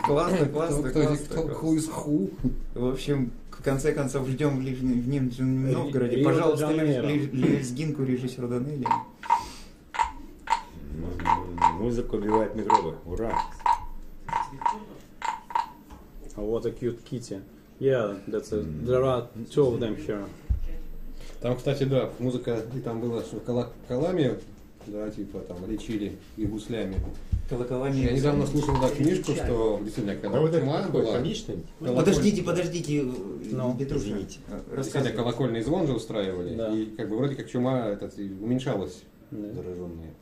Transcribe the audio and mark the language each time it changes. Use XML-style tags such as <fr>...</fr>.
<ru>Классно, классно, классно. Кто из ху? В общем, в конце концов, ждем в Нижнем Новгороде. Пожалуйста, лезгинку режиссера Данели. Музыка убивает микробы. Ура!</ru> <en>What a cute kitty. Yeah, that's a, there are two of them here.</en> <ru>Там, кстати, да, музыка, и там было, что колоколами, да, типа там, лечили и гуслями. Колоколами. Я недавно слушал книжку, что действительно, когда была... Подождите, Петруша. Рассказывай. Колокольный звон же устраивали, и как бы вроде как чума этот уменьшалась. Зараженные.</ru>